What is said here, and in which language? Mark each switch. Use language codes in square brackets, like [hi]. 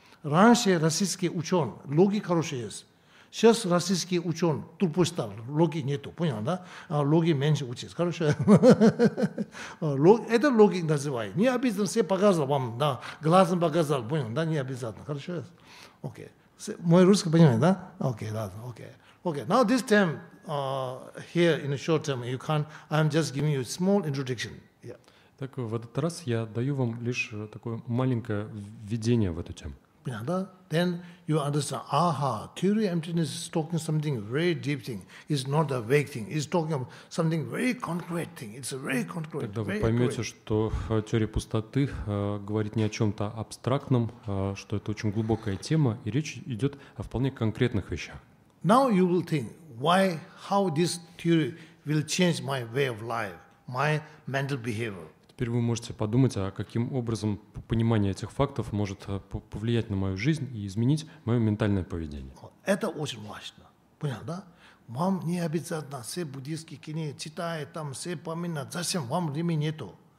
[ru] Раньше российский ученый, логик хороший есть. Сейчас российский ученый тупой стал, логик нету, понятно, да? Логик меньше учится. Короче, это логик называют. Не обязательно все показывал вам, да, глазом показал, понял, да, не обязательно. Хорошо, окей. Мой русский понимает, да? Окей, ладно, окей. [en] Окей, now this time, here in the short term, you can't, I'm just giving you a small introduction. Yeah. [ru] Так, в этот раз я даю вам лишь такое маленькое введение в эту тему. Понятно? [en] Then you understand, theory emptiness is talking something very deep thing. It's not a vague thing. It's talking about something very concrete thing. It's a very concrete. [ru] Тогда вы поймете, что теория пустоты говорит не о чем-то абстрактном, что это очень глубокая тема, и речь идет о вполне конкретных вещах. [en] Now you will think, why, how this theory will change my way of life, my mental behavior. [ru] Теперь вы можете подумать, а каким образом понимание этих фактов может повлиять на мою жизнь и изменить мое ментальное поведение. Это очень важно. Понял, да? Вам не обязательно все буддийские книги читать, там все поминать. Зачем? Вам времени нету.